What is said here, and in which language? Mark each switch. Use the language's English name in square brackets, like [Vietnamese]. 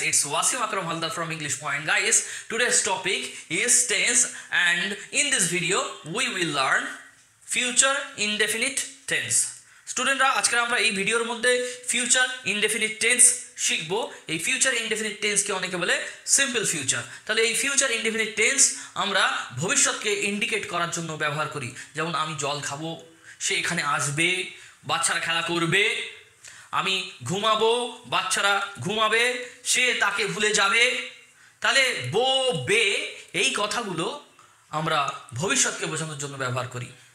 [English] It's Wasim Akram Halder from English Point. Guys, today's topic is tense, and in this video we will learn future indefinite tense. [Bangla] Student, আজকে আমরা এই ভিডিওর মধ্যে future indefinite tense শিখব. এই future indefinite tense কে অনেকে বলে simple future. তাহলে এই future indefinite tense আমরা ভবিষ্যৎকে ইন্ডিকেট করার জন্য ব্যবহার করি. যেমন আমি জল খাবো, সে এখানে আসবে, বাচ্চারা খেলা করবে, আমি ঘুমাবো, বাচ্চারা ঘুমাবে, সে তাকে ভুলে যাবে. তাহলে বো বে এই কথাগুলো আমরা ভবিষ্যৎকে বোঝানোর জন্য ব্যবহার করি.